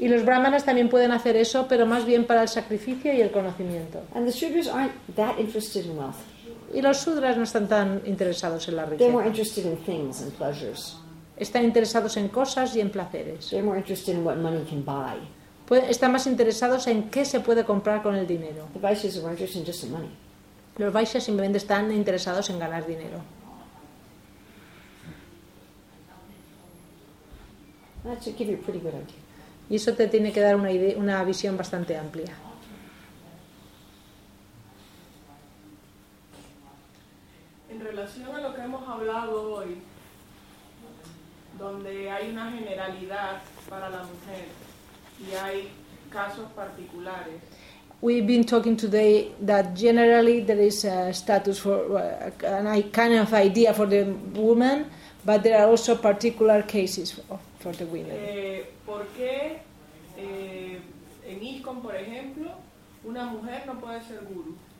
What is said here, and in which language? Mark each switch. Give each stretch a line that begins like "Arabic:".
Spanish: Y los Brahmanas también pueden hacer eso, pero más bien para el sacrificio y el conocimiento.
English: And the Shudras aren't that interested in wealth.
Spanish: Y los Shudras no están tan interesados en la riqueza.
English: They're more interested in things and pleasures.
Spanish: Están interesados en cosas y en placeres.
English: They're more interested in what money can buy.
Spanish: Están más interesados en qué se puede comprar con el dinero.
English: The Vaishyas are interested in just money.
Spanish: Los Vaishyas simplemente están interesados en ganar dinero.
English: That should give you a pretty good idea.
Spanish: Y eso te tiene que dar una idea, una visión bastante amplia. En relación a lo que hemos hablado hoy, donde hay una generalidad para la mujer, y hay casos particulares.
English: We've been talking today that generally there is a status for a kind of idea for the woman, but there are also particular cases for the women.
Spanish: ¿Por qué en ISKCON, por ejemplo, una mujer no puede ser guru?